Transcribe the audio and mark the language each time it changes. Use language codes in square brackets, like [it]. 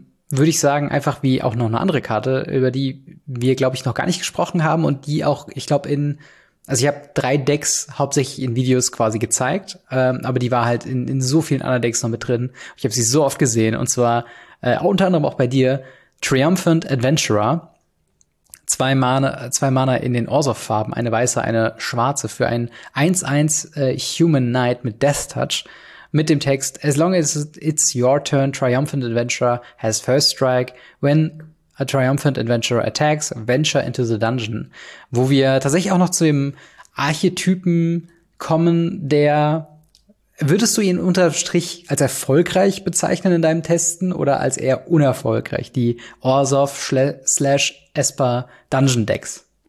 [de] Würde ich sagen, einfach wie auch noch eine andere Karte, über die wir, glaube ich, noch gar nicht gesprochen haben und die auch, ich glaube, in, also ich habe 3 Decks hauptsächlich in Videos quasi gezeigt, aber die war halt in so vielen anderen Decks noch mit drin. Ich habe sie so oft gesehen und zwar unter anderem auch bei dir, Triumphant Adventurer, 2 Mana in den Orzhov-Farben, eine weiße, eine schwarze für ein 1-1 Human Knight mit Death Touch. Mit dem Text, [en] as long as it's your turn, Triumphant Adventurer has first strike. When a Triumphant Adventurer attacks, venture into the dungeon. [de] Wo wir tatsächlich auch noch zu dem Archetypen kommen, der, würdest du ihn unter Strich als erfolgreich bezeichnen in deinem Testen oder als eher unerfolgreich? Die Orzhov / Esper Dungeon Decks.